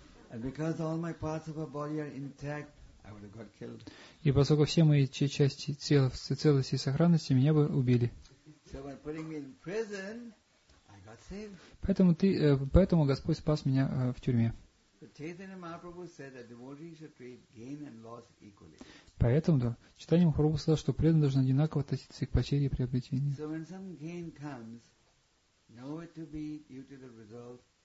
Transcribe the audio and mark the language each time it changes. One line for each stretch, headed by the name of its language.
English: And because all my parts of my body are intact, I would have got killed.
Russian: И поскольку все мои части тела в целости и сохранности, меня бы убили.
English: So by putting me in prison, I got saved.
Russian: Поэтому Господь спас меня в тюрьме.
English: But Chaitanya Mahaprabhu said that devotees should treat gain and loss equally.
Russian: Поэтому да, Чайтанья Махапрабху сказал, что преданный должен одинаково относиться к потере и приобретению.
English: So when some gain comes, know it to be due to the result.